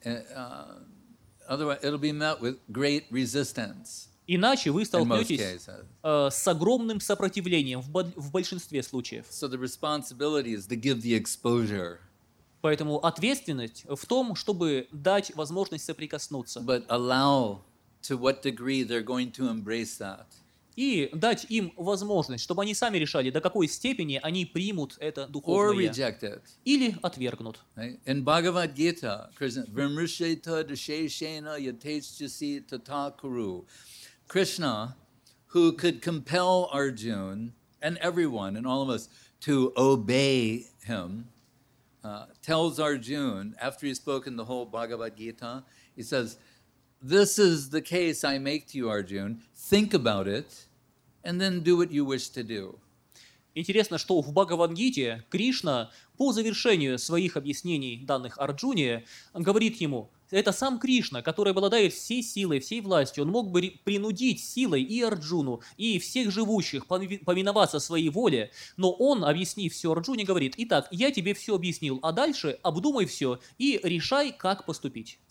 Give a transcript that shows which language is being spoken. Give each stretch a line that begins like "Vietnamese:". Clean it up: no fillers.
English: Right. Otherwise, it'll be met with great resistance.
Russian: Иначе вы столкнетесь с огромным сопротивлением в большинстве случаев.
English: So the responsibility is to give the exposure.
Russian: Поэтому ответственность в том, чтобы дать возможность соприкоснуться.
English: But allow to what degree they're going to embrace that.
Russian: И дать им возможность, чтобы они сами решали, до какой степени они примут это духовное. Или отвергнут.
English: In Bhagavad-gita, Krishna,
Sanskrit: Vimrishita Dushesena Yateshchasi Tathakuru.
English: Krishna, who could compel Arjuna and everyone and all of us to obey him, tells Arjuna, after he's spoken the whole Bhagavad-gita, he says, this is the case I make to you, Arjuna. Think about it, and then do what you wish to do.
Russian: Интересно, что в Бхагавад-гите Кришна по завершению своих объяснений данных Арджуне говорит ему, это сам Кришна, который обладает всей силой, всей властью, он мог бы принудить силой и Арджуну, и всех живущих повиноваться своей воле, но он, объяснив все Арджуне, говорит, итак, я тебе все объяснил, а дальше обдумай все и решай, как поступить.